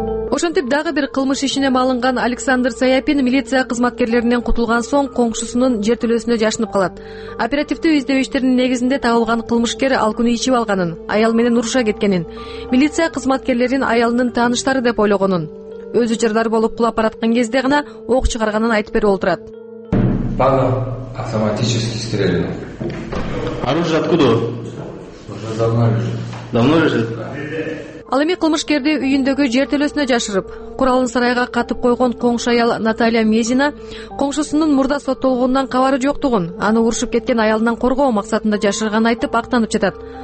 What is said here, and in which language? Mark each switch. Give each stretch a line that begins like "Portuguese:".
Kyrgyz: Ошентип дагы бир кылмыш ишине малынган Александр Саяпин милиция кызматкерлеринен кутулган соң коңшусунун жер төлөсүндө жашынып калат. Оперативдүү издөө иштеринин негизинде табылган кылмышкер ал күнү ичип алганын, аял менен уруша кеткенин, милиция кызматкерлерин аялынын тааныштары деп ойлогонун, өзү жардар болуп кулап бараткан кезде гана ок чыгарганын айтып берип олтурат.
Russian: Пана автоматически стрелял. Оружие откуда? Уже давно лежит. Давно лежит?
Kyrgyz: Ал эми кылмышкерди үйүндөгү жер төлөсүнө жашырып, куралын сарайга катып койгон коңшу аял Наталья Мезина коңшусунун мурда соттолгонунан кабары жоктугун, аны урушуп кеткен аялынан коргоо максатында жашырганын айтып актанып жатат.